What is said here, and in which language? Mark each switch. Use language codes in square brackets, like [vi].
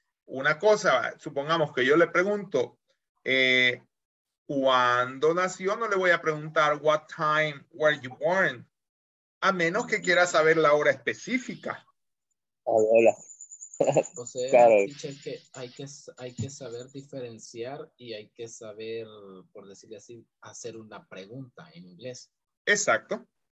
[es] Una cosa, supongamos que yo le pregunto, ¿cuándo nació? No le voy a preguntar, [en] what time were you born? [es] A menos que quiera saber la hora específica. Hola. O sea, claro. hay que saber diferenciar y hay que saber, por decirlo así, hacer una pregunta en inglés. Exacto.